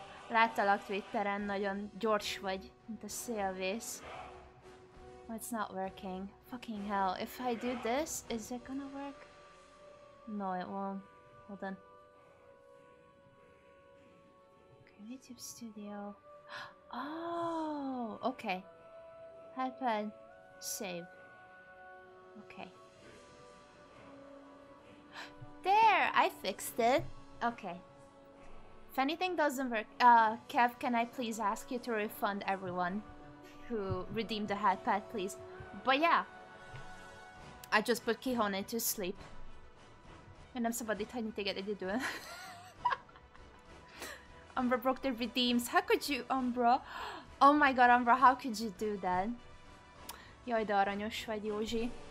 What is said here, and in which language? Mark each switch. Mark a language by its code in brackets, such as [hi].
[hu] Láttalak Twitteren, nagyon gyors vagy, mint a szélvész. [en] Oh, it's not working. Fucking hell. If I do this, is it gonna work? No, it won't. Hold on. YouTube Studio. Oh, okay. Headpad. Save. Okay. There! I fixed it. Okay. If anything doesn't work, Kev, can I please ask you to refund everyone who redeemed the headpad, please? But yeah. I just put Kihone to sleep. And I'm somebody trying to get it to do it. Umbra broke the redeems. How could you, Umbra? Oh my god, Umbra, how could you do that? [hu] Jaj, de aranyos vagy, Józsi.